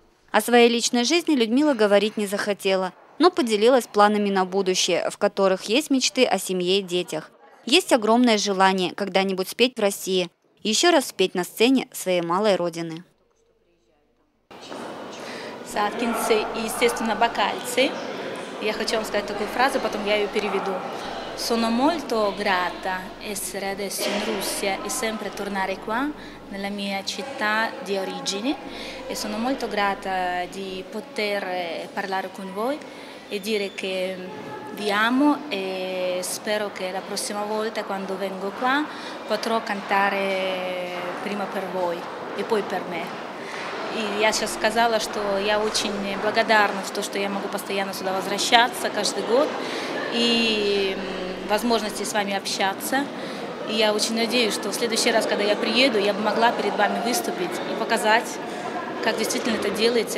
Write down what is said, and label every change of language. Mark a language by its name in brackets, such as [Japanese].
[Russian] О своей личной жизни Людмила говорить не захотела, но поделилась планами на будущее, в которых есть мечты о семье и детях. Есть огромное желание когда-нибудь спеть в России. Еще раз спеть на сцене своей малой родины. Саткинцы и, естественно, бакальцы. Я хочу вам сказать такую фразу, потом я ее переведу. [Italian] Sono molto grata essere adesso in Russia e sempre tornare qua nella mia città di origine. E sono molto grata di poter parlare con voi e dire che vi amo e spero che la prossima volta quando vengo qua potrò cantare prima per voi e poi per me. [Russian] И я сейчас сказала, что я очень благодарна за то, что я могу постоянно сюда возвращаться каждый год и возможности с вами общаться. И я очень надеюсь, что в следующий раз, когда я приеду, я бы могла перед вами выступить и показать, как действительно это делается.